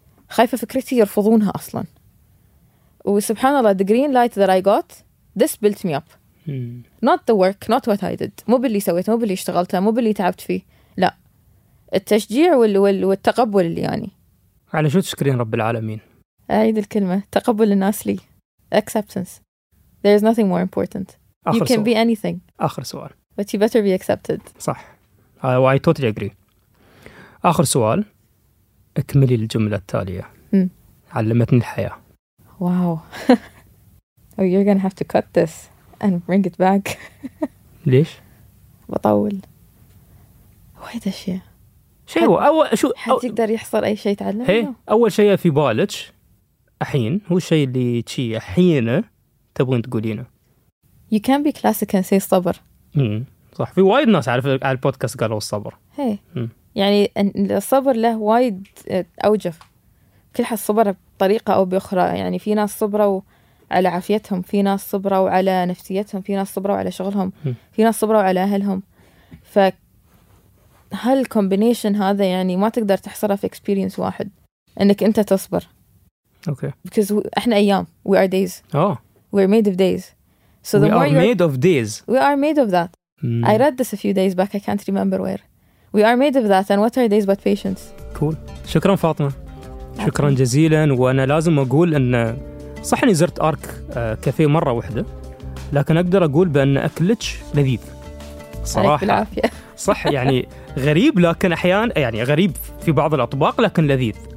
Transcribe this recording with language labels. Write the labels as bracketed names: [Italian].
[Arabic] خايفة فكرتي يرفضونها أصلا. وسبحان الله [English] the green light that I got this built me up. Not the work, not what I did. [Arabic] مو باللي سويته، مو باللي اشتغلته، مو باللي تعبت فيه، لا التشجيع والتقبل اللي يعني. على شو تشكرين رب العالمين؟ أعيد الكلمة، تقبل الناس لي. [English] Acceptance. There is nothing more important. [Arabic] آخر [English] you can [Arabic] سؤال. [English] Be anything. [Arabic] آخر سؤال. [English] But you better be accepted. [Arabic] صح. [English] I totally agree. [Arabic] آخر سؤال. اكملي الجملة التالية. علمتني الحياة. واو. [English] Oh, you're gonna have to cut this and bring it back. [Arabic] ليش؟ بطول. وايد اشياء. شيء هو اول شو حد يقدر يحصل اي شيء تعلمه؟ هي اول شيء في بالك الحين هو الشيء اللي تشي الحين تبغين تقولينه. [English] You can be classic and say صبر. [Arabic] صح. في وايد ناس عارف على البودكاست قالوا الصبر. هي. يعني الصبر له وايد أوجه كل حد صبره بطريقة أو بأخرى. يعني في ناس صبره على عافيتهم، في ناس صبروا على نفسيتهم، في ناس صبروا على شغلهم، في ناس صبروا على أهلهم. فهالكومبينيشن هذا يعني ما تقدر تحصره في experience واحد، أنك أنت تصبر. أوكي. [English] Because [Arabic] إحنا أيام، [English] we are days. Oh. We're made of days. So the we are made of days. We are made of that. I read this a few days back. I can't remember where. We are made of that. And what are days but patience? Cool. [Arabic] شكرا فاطمة. شكرا جزيلا. وأنا لازم أقول أن صحني زرت أرك كافي مرة واحدة، لكن أقدر أقول بأن أكلتش لذيذ صراحة. صح يعني غريب، لكن أحيان يعني غريب في بعض الأطباق لكن لذيذ.